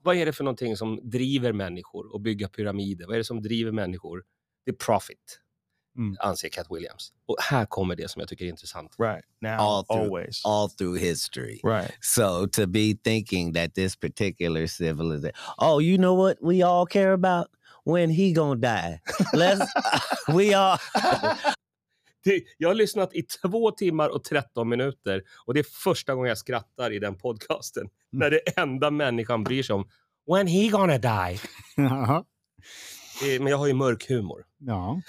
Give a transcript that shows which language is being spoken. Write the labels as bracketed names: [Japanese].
[Swedish] Vad är det för någonting som driver människor att bygga pyramider? Vad är det som driver människor? Det är profit. Mm. Anser Cat Williams. Och här kommer det som jag tycker är intressant. [English] Right. Now, always. All through history. Right. So to be thinking that this particular civilization, oh, you know what we all care about? When he gonna die? Let's, we all. [Swedish] Jag har lyssnat i 2 timmar och 13 minuter. Och det är första gången jag skrattar i den podcasten. Mm. När det enda människan bryr sig om, [English] when he gonna die? [Swedish] Men jag har ju mörk humor. Ja.